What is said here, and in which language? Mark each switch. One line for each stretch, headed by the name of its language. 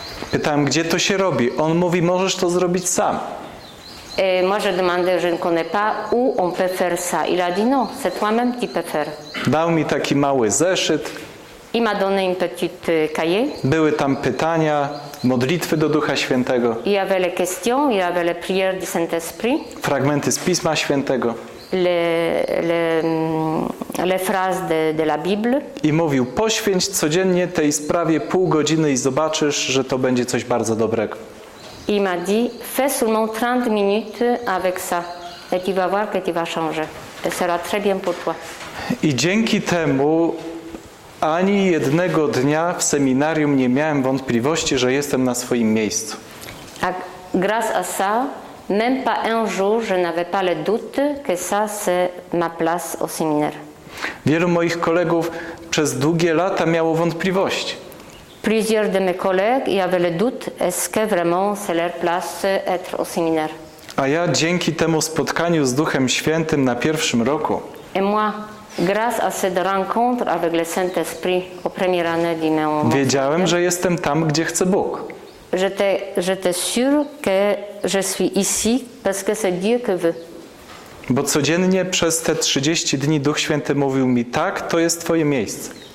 Polish: Pytałem, gdzie to się robi. On mówi, możesz to zrobić sam.
French: Moi je demandais, je ne connais pas où on peut faire ça. Il a dit non, c'est toi-même qui peux faire.
Polish: Dał mi taki mały zeszyt.
French: Il m'a donné un petit cahier.
Polish: Były tam pytania, modlitwy do Ducha Świętego.
French: Il y avait les questions, il y avait les prières du Saint-Esprit.
Polish: Fragmenty z Pisma Świętego.
French: Les phrases de la Bible.
Polish: I mówił, poświęć codziennie tej sprawie pół godziny i zobaczysz, że to będzie coś bardzo dobrego.
French: Il m'a dit, fais seulement 30 minutes avec ça et tu vas voir que tu vas changer. Ce sera très bien pour toi.
Polish: I dzięki temu ani jednego dnia w seminarium nie miałem wątpliwości, że jestem na swoim miejscu.
French: A grâce à ça, même pas un jour, je n'avais pas le doute que ça c'est ma place au séminaire.
Polish: Wielu moich kolegów przez długie lata miało wątpliwości.
French: Plusieurs de mes collègues y avaient le doute, est-ce que vraiment c'est leur place être au séminaire?
Polish: A ja dzięki temu spotkaniu z Duchem Świętym na pierwszym roku.
French: Et moi, grâce à cette rencontre avec le Saint-Esprit au premier année du mon.
Polish: Wiedziałem, że jestem tam, gdzie chce Bóg.
French: J'étais sûr que je suis ici parce que c'est Dieu qui veut.
Polish: Bo codziennie przez te 30 dni Duch Święty mówił mi, tak, to jest twoje miejsce.